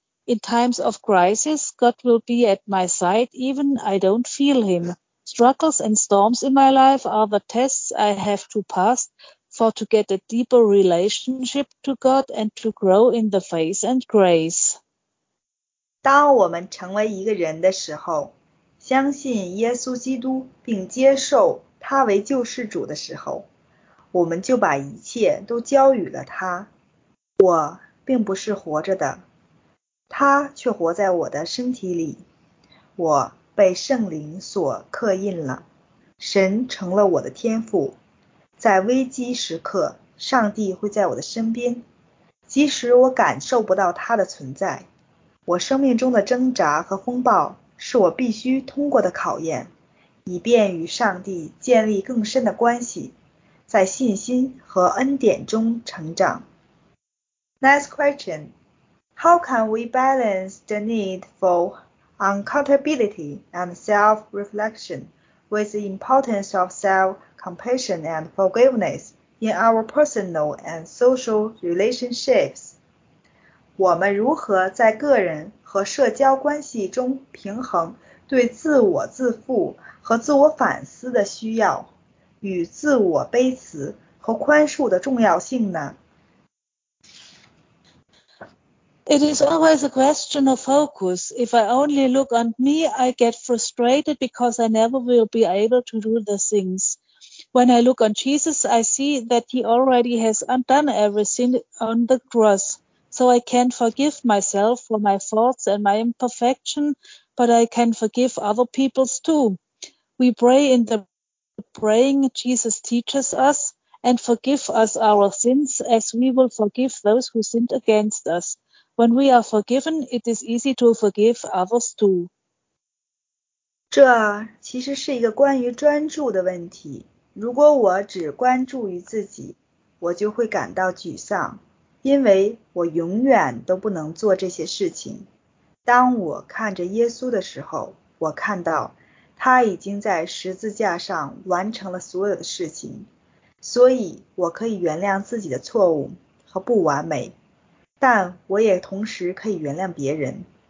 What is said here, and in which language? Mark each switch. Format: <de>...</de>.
<en>In times of crisis, God will be at my side even I don't feel him. Struggles and storms in my life are the tests I have to pass for to get a deeper relationship to God and to grow in the faith and grace.</en> <zh>当我们成为一个人的时候，相信耶稣基督并接受他为救世主的时候，我们就把一切都交予了他。我并不是活着的。他却活在我的身体里，我被圣灵所刻印了，神成了我的天父。在危机时刻，上帝会在我的身边，即使我感受不到他的存在。我生命中的挣扎和风暴是我必须通过的考验，以便与上帝建立更深的关系，在信心和恩典中成长。</zh> <en>Next question. How can we balance the need for accountability and self-reflection with the importance of self-compassion and forgiveness in our personal and social relationships?</en> <zh>我们如何在个人和社交关系中平衡对自我自负和自我反思的需要与自我卑辞和宽恕的重要性呢？</zh> <en>It is always a question of focus. If I only look on me, I get frustrated because I never will be able to do the things. When I look on Jesus, I see that he already has undone everything on the cross. So I can forgive myself for my faults and my imperfection, but I can forgive other people's too. We pray in the praying Jesus teaches us, and forgive us our sins as we will forgive those who sinned against us. When we are forgiven, it is easy to forgive others too.</en> <zh>这其实是一个关于专注的问题。如果我只关注于自己，我就会感到沮丧，因为我永远都不能做这些事情。当我看着耶稣的时候，我看到他已经在十字架上完成了所有的事情，所以我可以原谅自己的错误和不完美，但我也同时可以原谅别人。</zh>